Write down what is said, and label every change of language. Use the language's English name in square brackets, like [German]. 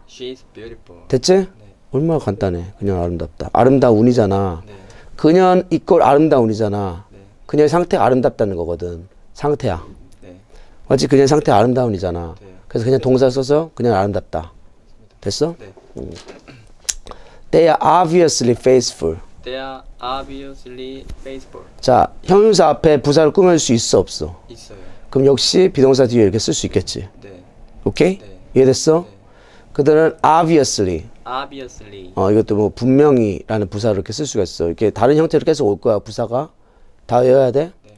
[English] She is beautiful. [Korean] 됐지? 네. 얼마나 간단해. 그녀 아름답다. 아름다운이잖아. 네. 그녀는 이꼴 아름다운이잖아. 그녀의 상태 아름답다는 거거든. 상태야. 맞지? 그녀의 상태 아름다운이잖아. 그래서 그냥 동사 써서 그녀 아름답다. 됐어? [English] They are obviously faithful. They are obviously faithful. [Korean] 자, 형용사 앞에 부사를 꾸밀 수 있어, 없어? 있어요. 그럼 역시 비동사 뒤에 이렇게 쓸수 있겠지. 오케이? 이해됐어? 그들은 obviously. [English] Obviously. [Korean] 이것도 뭐 분명히라는 부사를 이렇게 쓸 수가 있어. 이렇게 다른 형태로 계속 올 거야, 부사가. 다여야 돼?